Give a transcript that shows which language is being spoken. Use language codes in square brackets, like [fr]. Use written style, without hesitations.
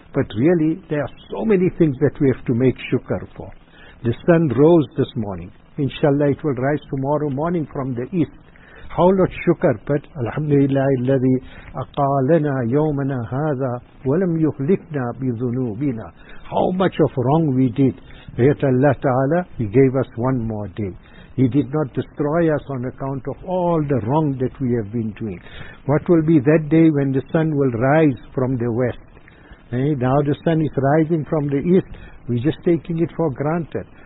[en] But really, there are so many things that we have to make shukr for. The sun rose this morning. Inshallah, it will rise tomorrow morning from the east. How lot shukr, but [ar] Alhamdulillah, الَّذِي أَقَالَنَا يَوْمَنَا هَذَا وَلَمْ يُخْلِقْنَا بِذُنُوبِنَا. [en] How much of wrong we did. Yet Allah Ta'ala, He gave us one more day. He did not destroy us on account of all the wrong that we have been doing. What will be that day when the sun will rise from the west? Eh? Now the sun is rising from the east. We're just taking it for granted.